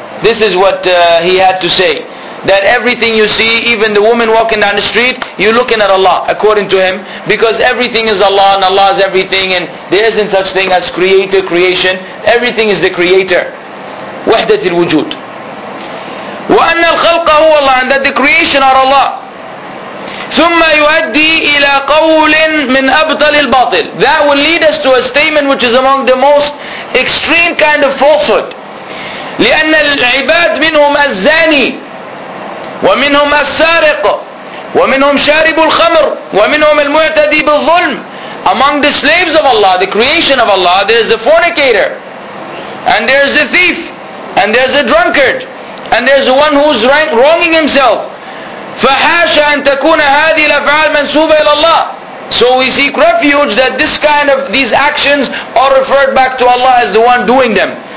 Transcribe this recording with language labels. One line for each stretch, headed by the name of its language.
English: This is what he had to say. That everything you see, even the woman walking down the street, you're looking at Allah, according to him. Because everything is Allah, and Allah is everything, and there isn't such thing as creator, creation. Everything is the creator.
Arabic: وحدت الوجود. وأن الخلق هو الله,
English: and that the creation are Allah.
Arabic: ثم يؤدي إلى قول من أبطل الباطل.
English: That will lead us to a statement which is among the most extreme kind of falsehood.
Arabic: لأن العباد منهم الزاني ومنهم السارق ومنهم شارب الخمر ومنهم المعتدي بالظلم.
English: Among the slaves of Allah, the creation of Allah, there is a fornicator, and there is a thief, and there is a drunkard, and there is one who is wronging himself.
Arabic: فَحَاشَ أَن تَكُونَ هَذِي الْأَفْعَالِ مَنْسُوبَ إِلَى اللَّهِ.
English: So we seek refuge that this kind of these actions are referred back to Allah as the one doing them.